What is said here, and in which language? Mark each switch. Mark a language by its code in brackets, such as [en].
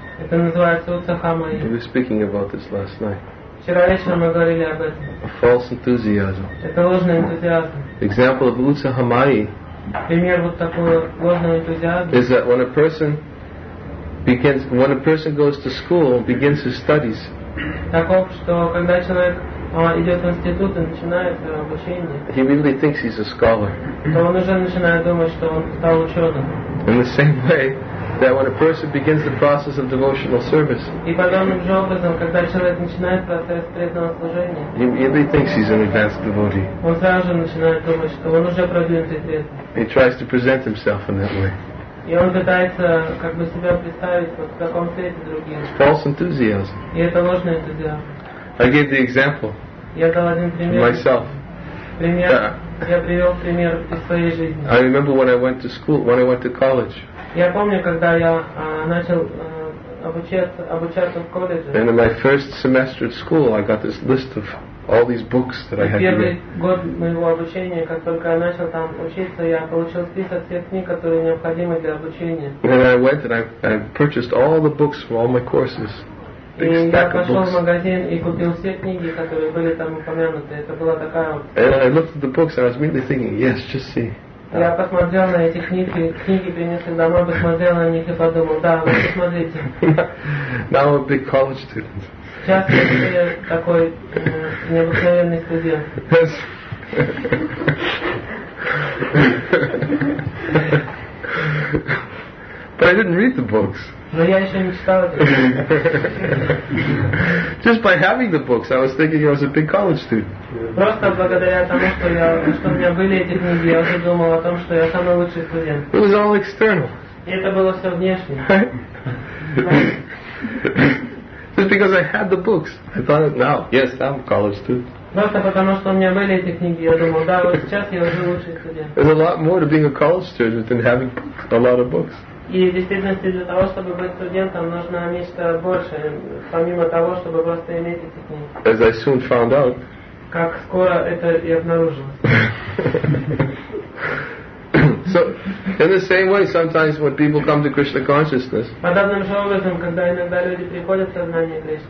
[ru] Это называется Utsahamayi. [en] We were speaking about this last night. [ru] Вчера вечером мы говорили об этом. [en] A false enthusiasm. [ru] Это ложный энтузиазм. [en] Example of Utsahamayi. [ru] Пример вот такого ложного энтузиазма. [en] Is that when a person begins, when a person goes to school and begins his studies? [ru] Таков, что когда человек идет в институт и начинает обучение. [en] He really thinks he's a scholar. [ru] То он уже начинает думать, что он стал ученым. [en] In the same way that when a person begins the process of devotional service. [ru] И подобным же образом, когда человек начинает процесс преданного служения. [en] He really thinks he's an advanced devotee. [ru] Он сразу же начинает думать, что он уже продвинутый преданный. [en] He tries to present himself in that way. [ru] И он пытается как бы себя представить вот в таком свете другим. [en] It's false enthusiasm. [ru] И это ложный энтузиазм. [en] I gave the example. [ru] Я дал один пример. [en] Myself. [ru] Пример. Я привел пример из своей жизни. [en] I remember when I went to school, when I went to college. [ru] Я помню, когда я начал обучаться в колледже. [en] And in my first semester at school, I got this list of all these books that I had read. [ru] Первый год моего обучения, как только я начал там учиться, я получил список всех книг, которые необходимы для обучения. [en] And I went and I purchased all the books for all my courses. Big stack of books. [ru] И я пошел в магазин и купил все книги, которые были там упомянуты. Это была такая вот. [en] And I looked at the books and I was immediately thinking, yes, just see. [ru] Я посмотрел на эти книги, книги принесли домой, посмотрел на них и подумал, да, вы посмотрите. [en] Now I'm a big college student. [ru] Сейчас я такой необыкновенный студент. [en] But I didn't read the books. [ru] Но я еще не читал эти книги. [en] Just by having the books, I was thinking I was a big college student. [ru] Просто благодаря тому, что у меня были эти книги, я уже думал о том, что я самый лучший студент. [en] It was all external. [ru] И это было все внешне. [en] Just because I had the books, I thought, now, yes, I'm a college student. [ru] Просто потому, что у меня были эти книги, я думал, да, вот сейчас я уже лучший студент. [en] There's a lot more to being a college student than having a lot of books. [ru] И в действительности для того, чтобы быть студентом, нужно нечто большее, помимо того, чтобы просто иметь эти книги. [en] As I soon found out. [ru] Как скоро это и обнаружил. [en] So, in the same way, sometimes when people come to Krishna consciousness, [ru] подобным же образом, когда иногда люди приходят в сознание Кришны,